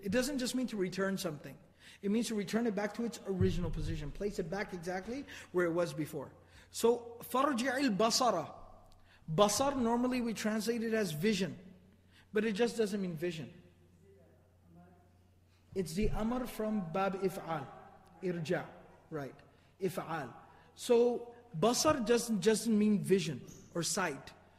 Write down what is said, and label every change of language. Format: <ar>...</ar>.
<en>It doesn't just mean to return something. It means to return it back to its original position. Place it back exactly where it was before.</en> <ar>So, فَرْجِعِ الْبَصَرَ.</ar> <en>Basar, normally we translate it as vision. But it just doesn't mean vision. It's the amr from bab if'al. Irja, right. If'al. So, basar doesn't mean vision or sight.</en>